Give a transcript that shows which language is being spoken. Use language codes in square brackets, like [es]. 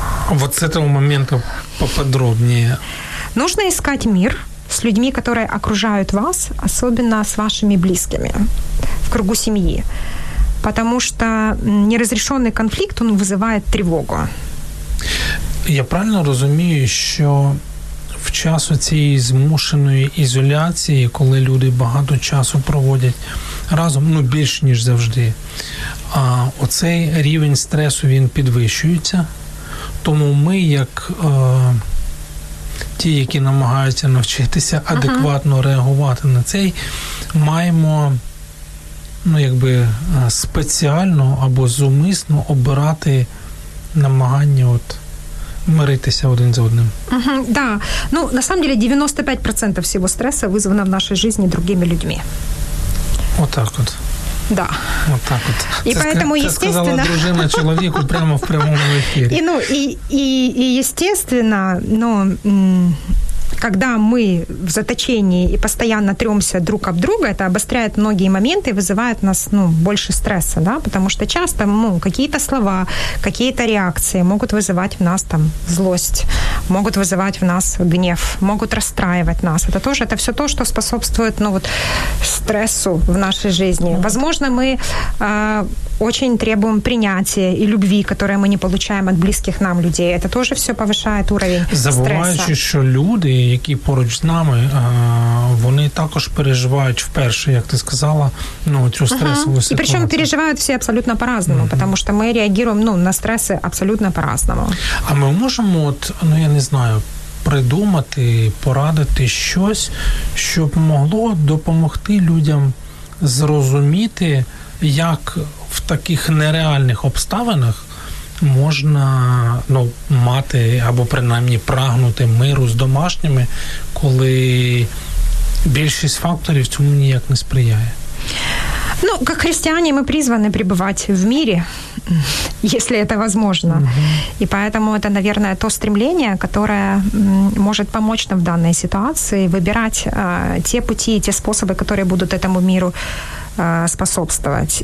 [ru] Вот с этого момента поподробнее. Нужно искать мир с людьми, которые окружают вас, особенно с вашими близкими, в кругу семьи. Потому что неразрешенный конфликт, он вызывает тревогу. [uk] Я правильно розумію, що в часу цієї змушеної ізоляції, коли люди багато часу проводять разом, ну більш ніж завжди, а оцей рівень стресу він підвищується. Тому ми, як ті, які намагаються навчитися адекватно реагувати на цей, маємо ну, якби, спеціально або зумисно обирати намагання от миритися один за одним. [ru] Да. Ну, на самом деле, 95% всего стресса вызвано в нашей жизни другими людьми. Вот так вот. Да. Вот так вот. И [uk] це [ru] поэтому, естественно... Это сказала дружина человеку прямо в прямом эфире. И, ну, и естественно, но когда мы в заточении и постоянно трёмся друг об друга, это обостряет многие моменты и вызывает нас ну, больше стресса, да, потому что часто ну, какие-то слова, какие-то реакции могут вызывать в нас там злость, могут вызывать в нас гнев, могут расстраивать нас. Это тоже, это всё то, что способствует ну, вот, стрессу в нашей жизни. Возможно, мы очень требуем принятия и любви, которые мы не получаем от близких нам людей. Это тоже всё повышает уровень стресса. [uk] Забываешь, что люди, які поруч з нами, вони також переживають вперше, як ти сказала, ну, цю стресову ситуацію. І причому переживають всі абсолютно по-разному, тому що ми реагуємо ну, на стреси абсолютно по-разному. А ми можемо, от, ну, я не знаю, придумати, порадити щось, щоб могло допомогти людям зрозуміти, як в таких нереальних обставинах можна ну, мати або принаймні прагнути миру з домашніми, коли більшість факторів цьому ніяк не сприяє. [ru] Ну, как христиане, мы призваны пребывать в мире, если это возможно. И поэтому это, наверное, то стремление, которое может помочь нам в данной ситуации выбирать те пути и те способы, которые будут этому миру способствовать.